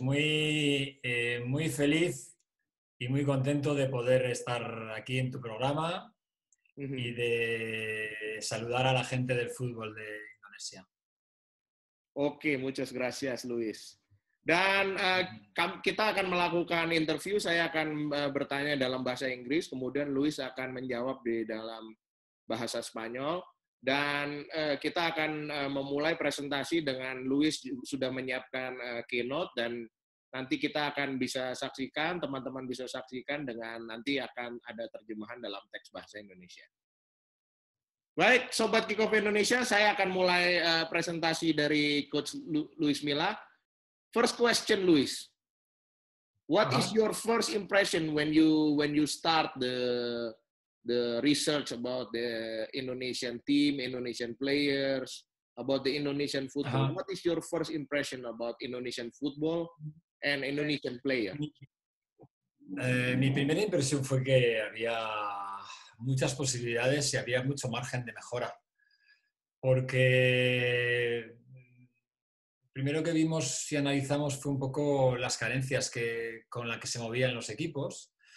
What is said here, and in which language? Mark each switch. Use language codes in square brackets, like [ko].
[es] Muy, muy feliz y muy contento de poder estar aquí en tu programa y de saludar a la gente del fútbol de Indonesia. Ok, muchas gracias, Luis. [id] Dan kita akan melakukan interview, saya akan bertanya dalam bahasa Inggris, kemudian Luis akan menjawab di dalam bahasa Spanyol. Dan kita akan memulai presentasi dengan Luis sudah menyiapkan keynote dan nanti kita akan bisa saksikan, teman-teman bisa saksikan dengan nanti akan ada terjemahan dalam teks bahasa Indonesia. Baik, Sobat Kickoff Indonesia, saya akan mulai presentasi dari Coach Luis Milla. [en] First question, Luis. What is your first impression when you start the research about the Indonesian team, Indonesian players, about the Indonesian football? Uh-huh. What is your first impression about Indonesian football and Indonesian player? [es] Mi primera impresión fue que había muchas posibilidades y había mucho margen de mejora. Porque primero que vimos y analizamos fue un poco las carencias con las que se movían los equipos.